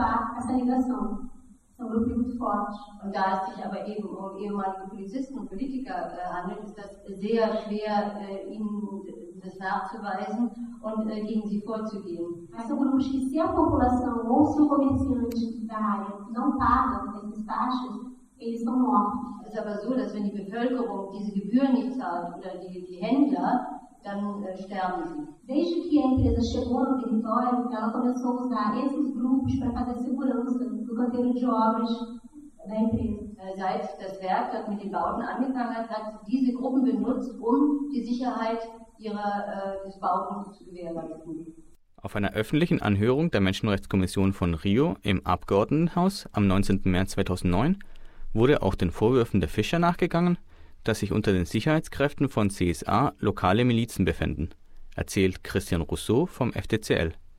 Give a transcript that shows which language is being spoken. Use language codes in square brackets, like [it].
[de] Und da es sich aber eben um ehemalige Polizisten und Politiker handelt, ist das sehr schwer, ihnen das nachzuweisen und gegen sie vorzugehen. [pt] Also grupos que se a população ou se o comerciante da área não pagam essas taxas, eles são mortos. [de] Es ist aber so, dass wenn die Bevölkerung diese Gebühren nicht zahlt oder die Händler, dann sterben sie. [pt] Desde que a empresa chegou no território, ela começou a usar esses grupos para fazer segurança do canteiro de obras. [de] Seit das Werk, das mit den Bauten angefangen hat, hat diese Gruppen benutzt, um die Sicherheit des Bauten zu gewährleisten. Auf einer öffentlichen Anhörung der Menschenrechtskommission von Rio im Abgeordnetenhaus am 19. März 2009 wurde auch den Vorwürfen der Fischer nachgegangen, dass sich unter den Sicherheitskräften von CSA lokale Milizen befänden, erzählt Christian Rousseau vom FDCL.